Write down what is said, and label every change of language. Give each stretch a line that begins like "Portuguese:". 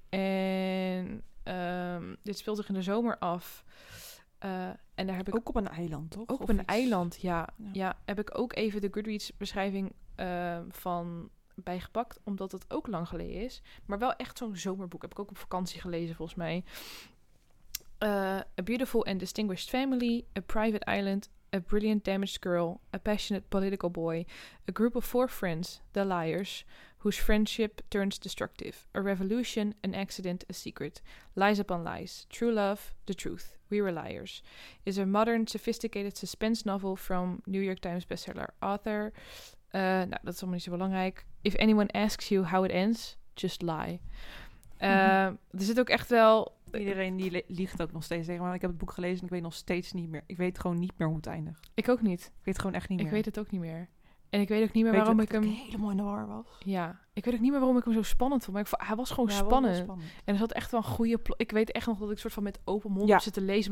Dutch: En dit speelt zich in de zomer af. En daar heb ik ook op een eiland, toch? Ook op of een iets? Eiland, ja. ja. Ja, heb ik ook even de Goodreads-beschrijving van bijgepakt. Omdat het ook lang geleden is. Maar wel echt zo'n zomerboek. Heb ik ook op vakantie gelezen, volgens mij.
English: A beautiful and distinguished family, a private island, a brilliant damaged girl, a passionate political boy, a group of 4 friends, the liars, whose friendship turns destructive, a revolution, an accident, a secret, lies upon lies, true love, the truth, we were liars, is a modern sophisticated suspense novel from New York Times bestseller author.
Dutch: Nou, dat is allemaal niet zo belangrijk.
English: If anyone asks you how it ends, just lie.
Dutch: Er zit ook echt wel iedereen die liegt ook nog steeds tegen me. Ik heb het boek gelezen en ik weet nog steeds niet meer. Ik weet gewoon niet meer hoe het eindigt. Ik ook niet. Ik weet het gewoon echt niet meer. Ik weet het ook niet meer. En ik weet ook niet meer waarom ik hem helemaal in de war was. Ja. Ik weet ook niet meer waarom ik hem zo spannend vond. Maar hij was gewoon spannend. En er zat echt wel een goede ik weet echt nog dat ik soort van met open mond zit te lezen.